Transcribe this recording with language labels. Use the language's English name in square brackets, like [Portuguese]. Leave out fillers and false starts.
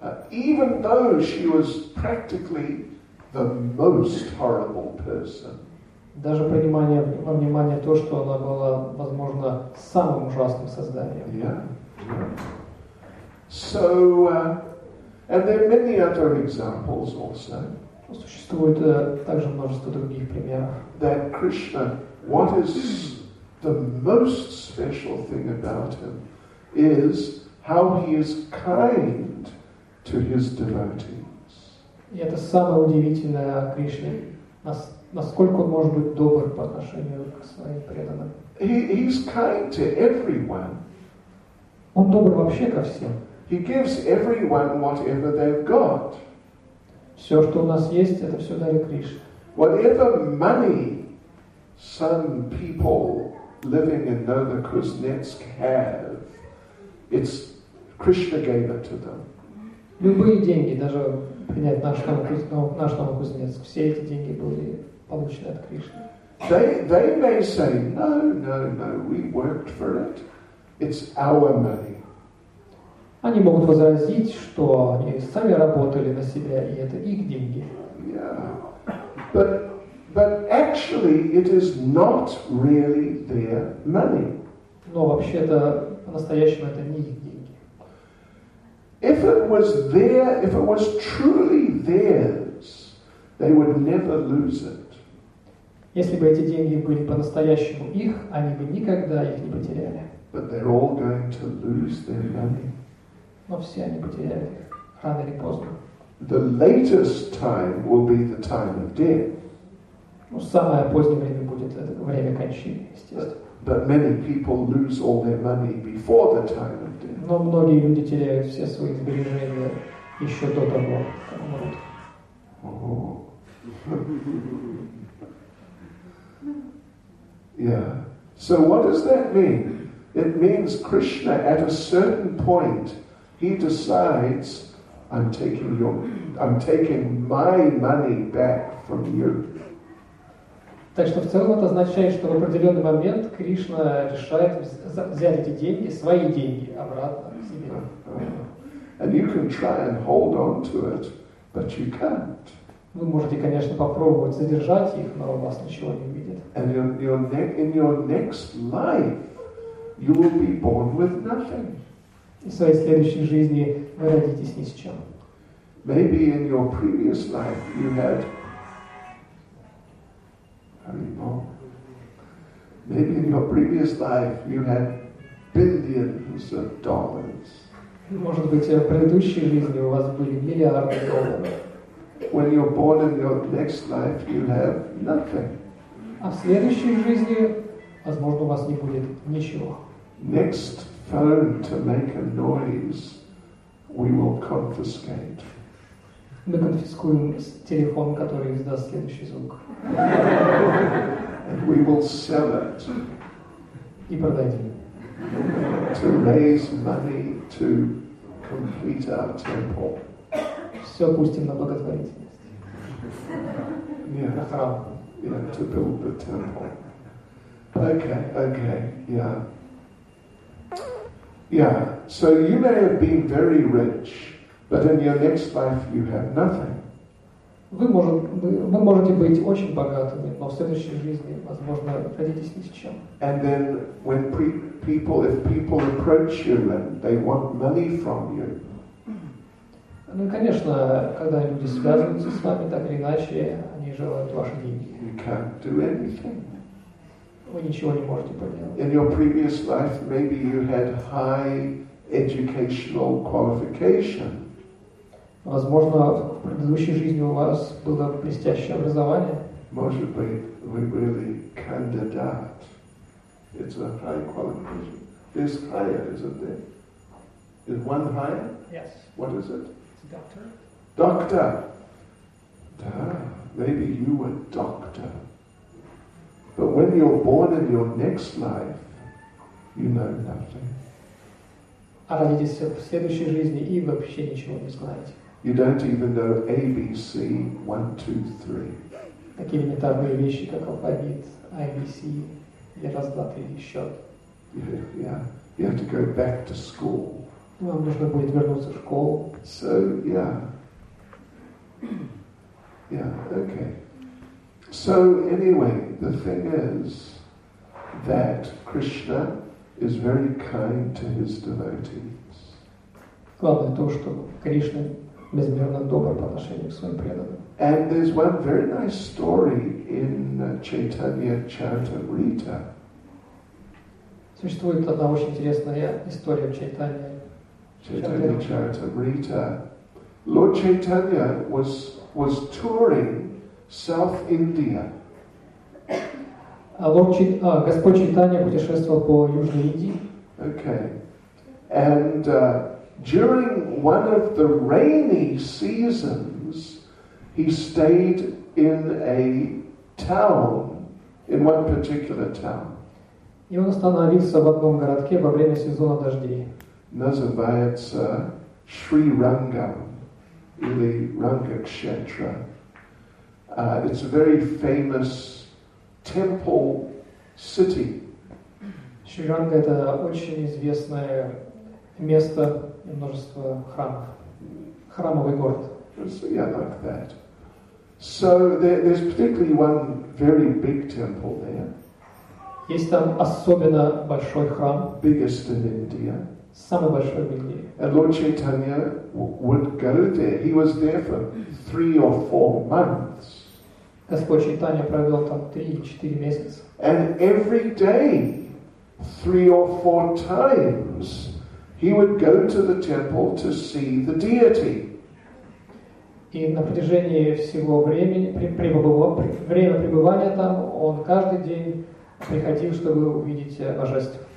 [English] Even though she was practically the most horrible person. [Russian] Даже принимая во внимание то, что она была, возможно, самым ужасным созданием. [English] Yeah. So, and there are many other examples also. [Russian] Существует также множество других примеров. [English] That Krishna, what is the most special thing about him is how he is kind to his devotees. [Russian] И это самое удивительное о Кришне, насколько он может быть добр по отношению к своим преданным. [English] He's kind to everyone. [Russian] Он добр вообще ко всем. [English] He gives everyone whatever they've got. [Russian] Все, что у нас есть, это все дарит Кришна. [English] Whatever money some people living in Novokuznetsk have, it's Krishna gave it to them. [Russian] Любые деньги, даже принять наш Новокузнецк, все эти деньги были получены от Кришны. [English] They may say, no, we worked for it. It's our money. [Russian] Они могут возразить, что они сами работали на себя, и это их деньги. [English] Yeah. But But actually, it is not really their money. [Russian] Но вообще-то по-настоящему это не их деньги. [English] If it was their, if it was truly theirs, they would never lose it. [Russian] Если бы эти деньги были по-настоящему их, они бы никогда их не потеряли. [English] But they're all going to lose their money. [Russian] Но все они потеряли их рано или поздно. [English] The latest time will be the time of death. [Russian] Ну, самое позднее время будет это время кончины, естественно. [English] But many people lose all their money before the time of death. [Russian] Но многие люди теряют все свои сбережения еще до того, как умрут. [English] Yeah. So what does that mean? It means Krishna, at a certain point, he decides, I'm taking my money back from you. [Russian] Так что в целом это означает, что в определенный момент Кришна решает взять эти деньги, свои деньги, обратно к себе. [English] And you can try and hold on to it, but you can't. [Russian] Вы можете, конечно, попробовать задержать их, но вас ничего не увидит. [English] And in your next life, you will be born with nothing. [Russian] И в своей следующей жизни вы родитесь ни с чем. [English] Maybe in your previous life you had Haribol. Maybe in your previous life you had billions of dollars. [Russian] Может быть, в предыдущей жизни у вас были миллиарды долларов. [English] When you're born in your next life, you have nothing. [Russian] А в следующей жизни, возможно, у вас не будет ничего. [English] Next phone to make a noise, we will confiscate. [Russian] Мы конфискуем телефон, который издаст следующий звук. [English] And we will sell it. [Russian] И продадим. [English] To raise money to complete our temple. [Russian] Все пустим на благотворительность. [English] Yeah. [Russian] На храм. [English] Yeah, to build the temple. Okay, yeah. Yeah, so you may have been very rich, but in your next life you have nothing. [Russian] Вы можете быть очень богатыми, но в следующей жизни, возможно, родитесь ни с чем. [English] And then when people, if people approach you and they want money from you. [Russian] Ну, конечно, когда люди связываются с вами, так или иначе, они желают ваши деньги. [English] You can't do anything. [Russian] Вы ничего не можете поделать. [English] In your previous life, maybe you had high educational qualification. [Russian] Возможно, в предыдущей жизни у вас было блестящее образование. Может быть, вы были кандидат. [English] It's a high qualification. There's higher, isn't there? Is one higher? Yes. What is it? It's a doctor. Doctor. Maybe you were doctor. But when you're born in your next life, you know nothing. [Russian] А родитесь в следующей жизни и вообще ничего не знаете. [English] You don't even know ABC 1, 2, 3. [Russian] Такие элементарные вещи, как алфавит, ABC, или раз, два, три, счет. [English] Yeah. You have to go back to school. [Russian] Вам нужно будет вернуться в школу. [English] So, yeah. Yeah, okay. So, anyway, the thing is that Krishna is very kind to his devotees. [Russian] Главное то, что Кришна безмерно добр по отношению к своим преданным. [English] And there's one very nice story in Chaitanya Charitamrita. [Russian] Существует одна очень интересная история в Чайтанье. [English] Chaitanya Charitamrita. Lord Chaitanya was touring South India. [Russian] Господь Чайтанья путешествовал по Южной Индии. [English] Okay. And during one of the rainy seasons, he stayed in a town, in one particular town. [Russian] И он остановился в одном городке во время сезона дождей. Называется Шри Рангам, или Ранга-кшетра. [English] It's a very famous temple city. [Russian] Шри Ранга – это очень известное место, множество храмов. Храмовый город. [English] So, yeah, like that. So there's particularly one very big temple there. [Russian] Есть там особенно большой храм. [English] Biggest in India. [Russian] Самый большой в Индии. [English] And Lord Chaitanya would go there. He was there for 3 or 4 months. [Russian] Господь Чайтанья провел там 3-4 месяца. [English] And every day, 3 or 4 times, he would go to the temple to see the deity. [Russian] И на протяжении всего времени, время пребывания там, он каждый день приходил, чтобы увидеть божество.